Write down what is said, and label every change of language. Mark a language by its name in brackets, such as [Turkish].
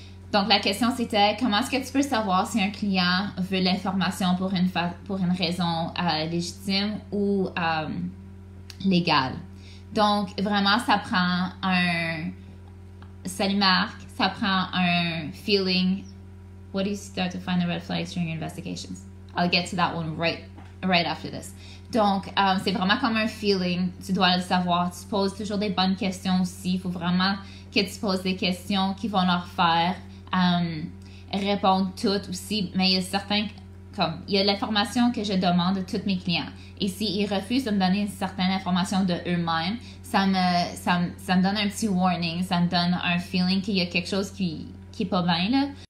[French] Donc, la question, c'était comment est-ce que tu peux savoir si un client veut l'information pour une raison légitime ou légale? Donc, vraiment, ça prend un... Salut Marc, ça prend un feeling. [English] What do you start to find the red flags during your investigations? I'll get to that one right after this. [French] Donc, c'est vraiment comme un feeling. Tu dois le savoir. Tu poses toujours des bonnes questions aussi. Il faut vraiment que tu poses des questions qui vont leur faire... répondre toutes aussi, mais il y a certains, comme, il y a l'information que je demande de tous mes clients. Et s'ils refusent de me donner une certaine information de eux-mêmes, ça me donne un petit warning, ça me donne un feeling qu'il y a quelque chose qui est pas bien, là.